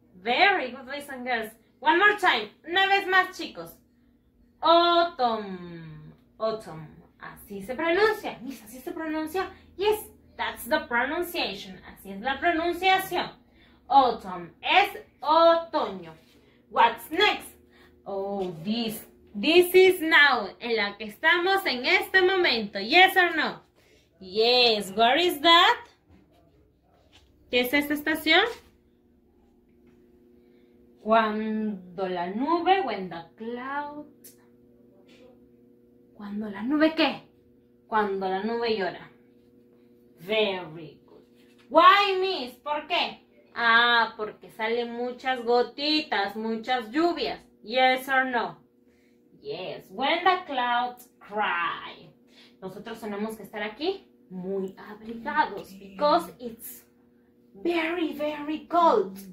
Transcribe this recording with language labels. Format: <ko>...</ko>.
<en>Very good, boys and girls. One more time.</en> <es>Una vez más, chicos.</es> <en>Autumn. Autumn.</en> <es>Así se pronuncia. Miss, así se pronuncia.</es> <en>Yes, that's the pronunciation.</en> <es>Así es la pronunciación. Autumn es otoño.</es> <en>What's next? Oh, this is now,</en> <es>en la que estamos en este momento.</es> <en>Yes or no? Yes, where is that?</en> <es>¿Qué es esta estación? Cuando la nube,</es> <en>when the clouds.</en> <es>¿Cuando la nube qué? Cuando la nube llora.</es> <en>Very good. Why, miss?</en> <es>¿Por qué? Ah, porque salen muchas gotitas, muchas lluvias.</es> <en>Yes or no? Yes, when the clouds cry.</en> <es>Nosotros tenemos que estar aquí muy abrigados.</es> <en>Because it's very, very cold.</en>